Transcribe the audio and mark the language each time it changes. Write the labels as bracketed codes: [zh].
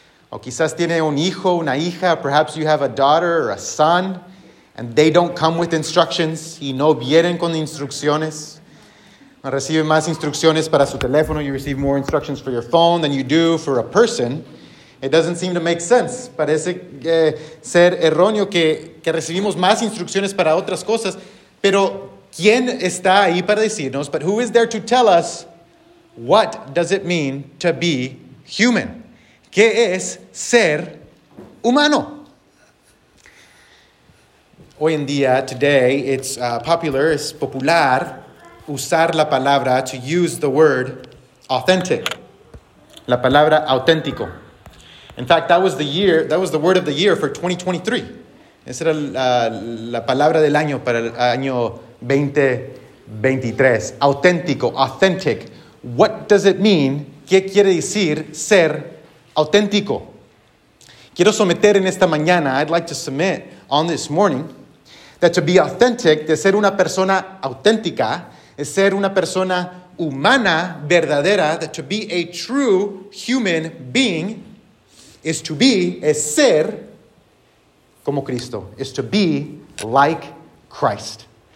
[es] O quizás tiene un hijo, una hija. [en] Perhaps you have a daughter or a son, and they don't come with instructions, [es] y no vienen con instrucciones. Recibe más instrucciones para su teléfono. [en] You receive more instructions for your phone than you do for a person. It doesn't seem to make sense. [es] Parece ser erróneo que recibimos más instrucciones para otras cosas. Pero, ¿quién está ahí para decirnos? [en] But who is there to tell us what does it mean to be human? [es] ¿Qué es ser humano? Hoy en día, [en] today, it's popular, [es] es popular usar la palabra, [en] to use the word authentic, [es] la palabra auténtico. [en] In fact, that was the word of the year for 2023. [es] Esa era la palabra del año para el año 2023. [en] Auténtico, authentic. What does it mean? [es] ¿Qué quiere decir ser auténtico? Quiero someter en esta mañana, [en] I'd like to submit on this morning, that to be authentic, [es] de ser una persona auténtica, es ser una persona humana verdadera, [en] that to be a true human being is to be, [es] es ser como Cristo, [en] is to be like Christ.